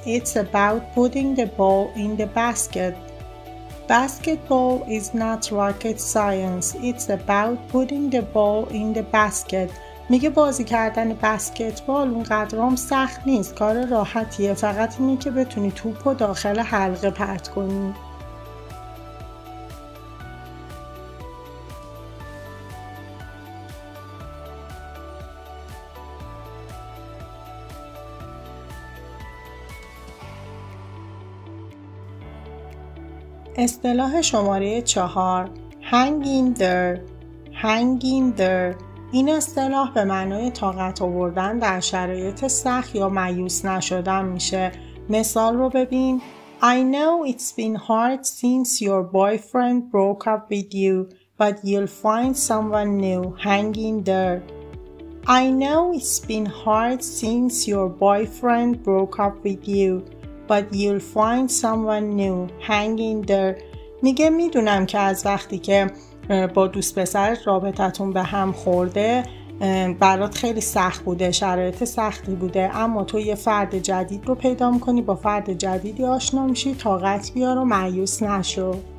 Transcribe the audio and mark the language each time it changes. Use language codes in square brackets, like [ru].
[en] It's about putting the ball in the basket. Basketball is not rocket science. It's about putting the ball in the basket. [fa] میگه بازی کردن بسکتبال اونقدر هم سخت نیست، کار راحتیه، فقط اینه که بتونی توپ رو داخل حلقه پرت کنی. اصطلاح شماره 4 [en] hanging there. [fa] این اصطلاح به معنای طاقت آوردن در شرایط سخت یا مایوس نشدن میشه. مثال رو ببین: [en] I know it's been hard since your boyfriend broke up with you, but you'll find someone new. Hanging there. I know it's been hard since your boyfriend broke up with you, but you'll find someone new. Hanging there. [fa] میگه میدونم که از وقتی که با دوست پسر رابطتون به هم خورده برات خیلی سخت بوده، شرایط سختی بوده، اما تو یه فرد جدید رو پیدا میکنی، با فرد جدیدی آشنا میشی، طاقت بیار و مایوس نشو.